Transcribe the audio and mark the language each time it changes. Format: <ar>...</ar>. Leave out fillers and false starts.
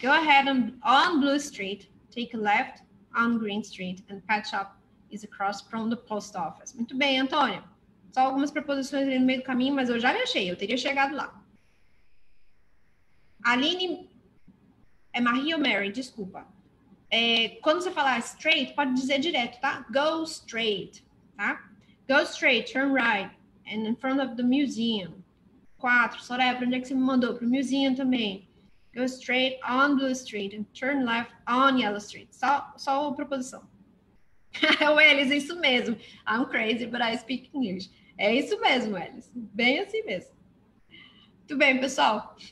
<en>Go ahead on Blue Street, take a left on Green Street, and pet shop is across from the post office.</en> <pt>Muito bem, Antônio. Só algumas preposições ali no meio do caminho, mas eu já me achei, eu teria chegado lá. Aline, é Marie ou Mary, desculpa. É, quando você falar straight, pode dizer direto, tá?</pt> <en>Go straight, tá? Go straight, turn right, and in front of the museum.</en> <pt>Quatro, Soraya, para onde é que você me mandou? Para o museum também.</pt> <en>Go straight on Blue Street and turn left on Yellow Street.</en> <pt>Só a proposição. Welles, isso mesmo.</pt> <en>I'm crazy, but I speak English.</en> <pt>É isso mesmo,</pt> <en>Welles.</en> <pt>Bem assim mesmo. Tudo bem, pessoal?</pt>